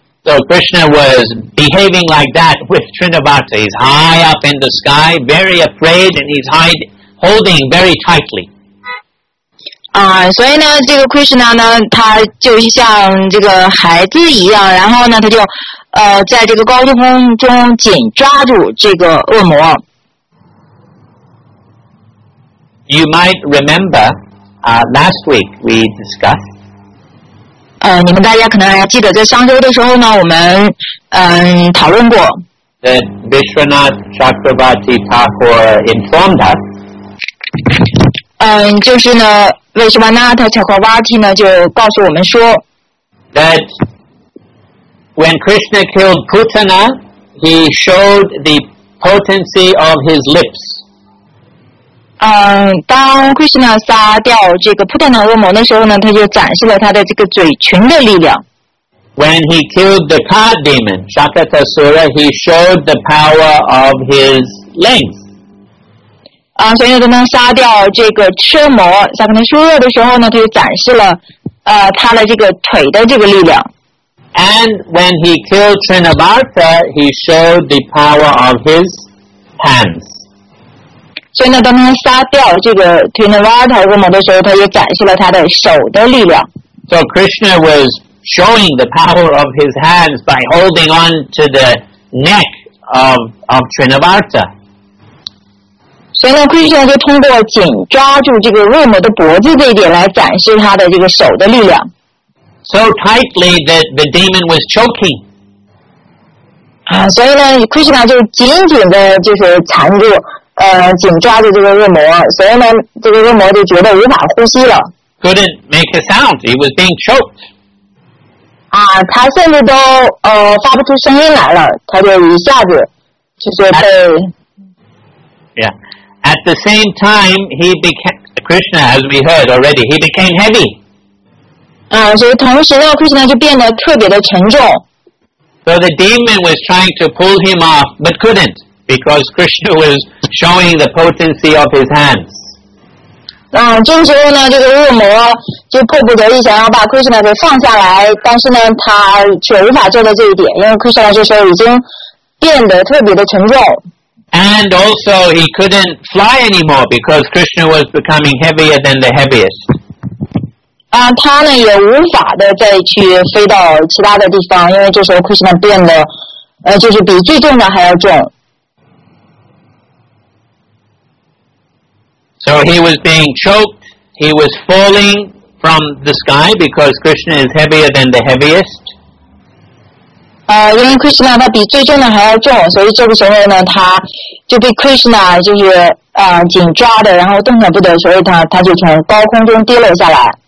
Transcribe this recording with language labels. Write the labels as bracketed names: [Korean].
[English] So Krishna was behaving like that with Trinivasa. He's high up in the sky, very afraid, and he's holding very tightly. [Chinese] 啊，所以呢，这个 Krishna 呢，他就像这个孩子一样，然后呢，他就。在这个高空中紧抓住这个恶魔。 [English] You might remember, last week we discussed. [Chinese] 你们大家可能还记得，在上周的时候呢，我们讨论过。 [English] That Vishwanath Chakravarti Thakur informed us. [Chinese] 就是呢 ，Vishwanath Chakravarti 呢就告诉我们说。 [English] That. When Krishna killed Putana, he showed the potency of his lips. [Chinese] 当 Krishna 杀掉这个 Putana 恶魔的时候呢，他就展示了他的这个嘴唇的力量。 [English] When he killed the card demon, Shakatasura, he showed the power of his legs. [Chinese] 所以当杀掉这个吃魔 Shakatasura 的时候呢，他就展示了他的这个腿的这个力量。 [English] And when he killed Trinivasa, he showed the power of his hands. [Chinese] 所以呢，当他杀掉这个 Trinivasa 恶魔的时候，他也展示了他的手的力量。 [English] So Krishna was showing the power of his hands by holding on to the neck of Trinivasa. [Chinese] 所以呢 ，Krishna 就通过紧抓住这个恶魔的脖子这一点来展示他的这个手的力量。 [English] So tightly that the demon was choking. [Chinese] 所以呢 ，Krishna 就紧紧的，就是缠住，紧抓着这个恶魔，所以呢，这个恶魔就觉得无法呼吸了。 [English] Couldn't make a sound. He was being choked. [Chinese] 他甚至都发不出声音来了，他就一下子就是被。 [English] At the same time, he became Krishna, as we heard already. He became heavy. [Chinese] 所以同时呢 ，Krishna 就变得特别的沉重。 [English] So the demon was trying to pull him off, but couldn't because Krishna was showing the potency of his hands. [Chinese] 这个时候呢，这个恶魔就迫不得已想要把 Krishna 给放下来，但是呢，他却无法做到这一点，因为 Krishna 这时候已经变得特别的沉重。 [English] And also, he couldn't fly anymore because Krishna was becoming heavier than the heaviest. [Chinese] 他呢也无法的再去飞到其他的地方，因为这时候 Krishna 变得，就是比最重的还要重。 [English] So he was being choked. He was falling from the sky because Krishna is heavier than the heaviest. [Chinese] 因为 Krishna 他比最重的还要重，所以这个时候呢，他就被 Krishna 就是紧抓的，然后动弹不得，所以他就从高空中跌落下来。